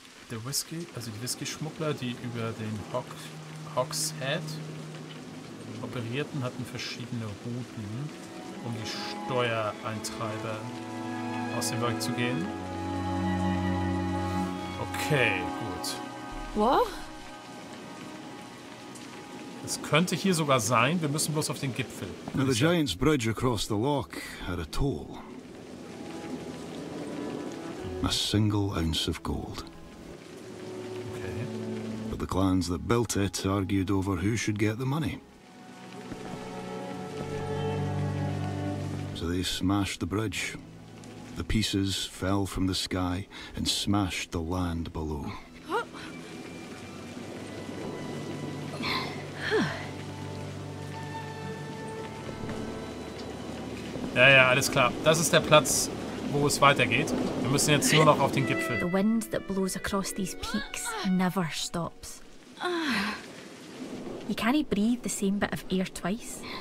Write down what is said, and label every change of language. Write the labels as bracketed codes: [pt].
[de] Der Whisky, also die Whisky-Schmuggler, die über den Hogshead operierten, hatten verschiedene Routen, um die Steuereintreiber aus dem Werk zu gehen. Okay, gut. [en] What? [de] Es könnte hier sogar sein, wir müssen bloß auf den Gipfel. [en] Now the Giant's Bridge across the loch had a toll. A single ounce of gold. Okay. But the clans that built it argued over who should get the money. So they smashed the bridge. The pieces fell from the sky and smashed the land below. [de] Ja, ja, alles klar. Das ist der Platz, wo es weitergeht. Wir müssen jetzt nur noch auf den Gipfel. [en] The wind that blows across these peaks never stops. You can't breathe the same bit of air twice.